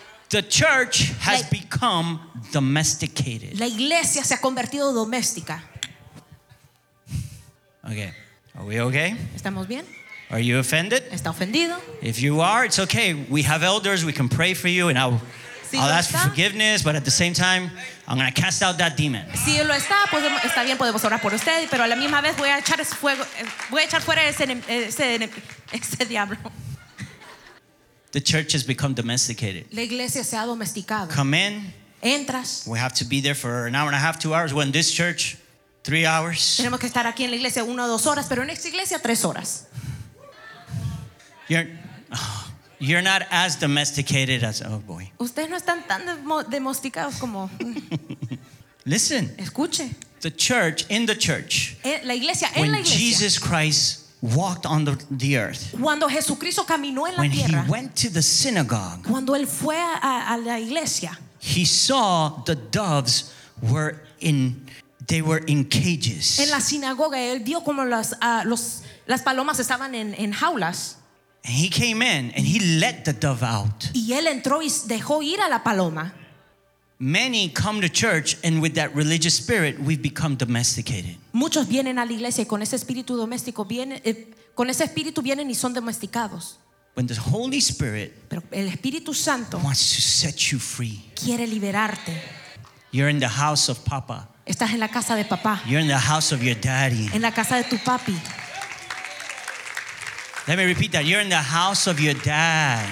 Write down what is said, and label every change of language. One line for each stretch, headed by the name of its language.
English: The church has become domesticated.
Spanish: La iglesia se ha convertido doméstica.
English: Okay. Are we okay?
Spanish: ¿Estamos bien?
English: Are you offended?
Spanish: ¿Está ofendido?
English: If you are, it's okay. We have elders. We can pray for you, and I'll ask for forgiveness, but at the same time, I'm going to cast out that demon.
Spanish: Si lo está, pues está bien, podemos orar por usted, pero a la misma vez voy a echar fuera ese diablo.
English: The church has become domesticated.
Spanish: La iglesia se ha domesticado.
English: Come in.
Spanish: Entras.
English: We have to be there for an hour and a half, 2 hours. When this church, 3 hours.
Spanish: Tenemos que estar aquí en la iglesia 1 o 2 horas, pero en esta iglesia 3 horas.
English: You're not as domesticated as, oh boy.
Spanish: Ustedes no están tan domesticados como.
English: Listen.
Spanish: Escuche.
English: The church, in the church.
Spanish: La iglesia, en la iglesia.
English: When Jesus Christ walked on the earth.
Spanish: Cuando Jesucristo caminó en la tierra.
English: When he went to the synagogue.
Spanish: Cuando él fue a la iglesia.
English: He saw the doves were in cages.
Spanish: En la sinagoga él vio como las palomas estaban en jaulas.
English: And he came in and he let the dove out.
Spanish: Y él entró y dejó ir a la paloma.
English: Many come to church and with that religious spirit we've become domesticated.
Spanish: Muchos vienen a la iglesia y con ese espíritu doméstico vienen y son domesticados.
English: When the Holy Spirit wants to set you free.
Spanish: Quiere liberarte.
English: You're in the house of Papa.
Spanish: Estás en la casa de papá.
English: You're in the house of your daddy.
Spanish: En la casa de tu papi.
English: Let me repeat that. You're in the house of your dad.